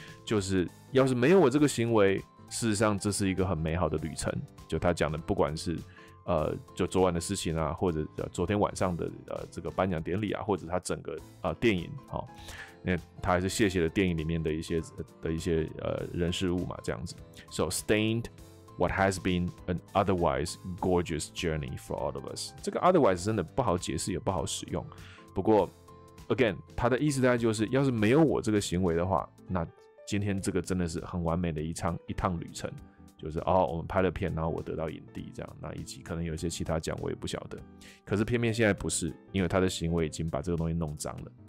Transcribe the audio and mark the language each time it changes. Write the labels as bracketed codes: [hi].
[zh] 就是要是没有我这个行为，事实上这是一个很美好的旅程。就他讲的，不管是就昨晚的事情啊，或者昨天晚上的这个颁奖典礼啊，或者他整个电影哈。那他还是谢谢了电影里面的一些人事物嘛，这样子。 [en] So stained what has been an otherwise gorgeous journey for all of us。 [zh] 这个 otherwise 真的不好解释，也不好使用。不过 ，again， 他的意思大概就是，要是没有我这个行为的话，那今天这个真的是很完美的一趟旅程。就是哦，我们拍了片，然后我得到影帝这样，那以及可能有一些其他奖我也不晓得。可是偏偏现在不是，因为他的行为已经把这个东西弄脏了。